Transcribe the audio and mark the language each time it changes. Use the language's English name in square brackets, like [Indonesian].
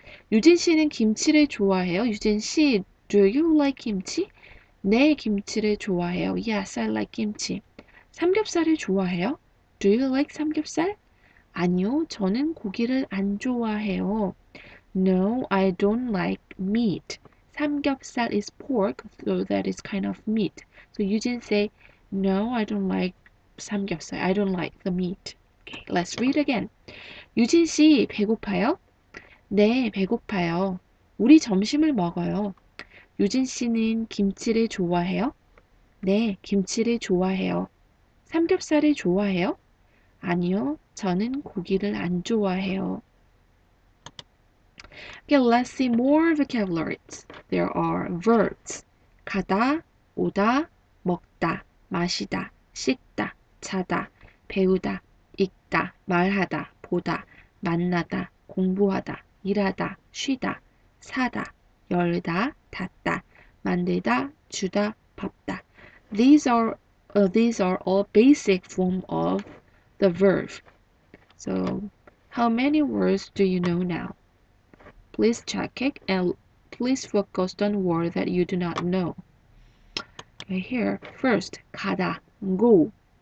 [Korean] 유진 씨는 김치를 좋아해요. [English] 유진 씨, do you like kimchi? [Korean] 네, 김치를 좋아해요. [English] Yes, I like kimchi. [Korean] 삼겹살을 좋아해요? [English] Do you like 삼겹살? [Korean] 아니요, 저는 고기를 안 좋아해요. [English] No, I don't like meat. 삼겹살 is pork, so that is kind of meat. So you didn't say, no, I don't like 삼겹살. I don't like the meat. Okay, let's read again. [Korean] 유진 씨, 배고파요? 네, 배고파요. 우리 점심을 먹어요. 유진 씨는 김치를 좋아해요? 네, 김치를 좋아해요. 삼겹살을 좋아해요? 아니요, 저는 고기를 안 좋아해요. [English] Okay, let's see more vocabularies. There are verbs. [Korean] 가다, 오다, 먹다, 마시다, 씻다, 자다, 배우다, 읽다, 말하다, 보다, 만나다, 공부하다, 일하다, 쉬다, 사다, 열다, 닫다, 만들다, 주다, 밥다. [English] These are all basic form of the verb. So, how many words do you know now? Please check it and please focus on word that you do not know. Okay, here, first, 가다, go.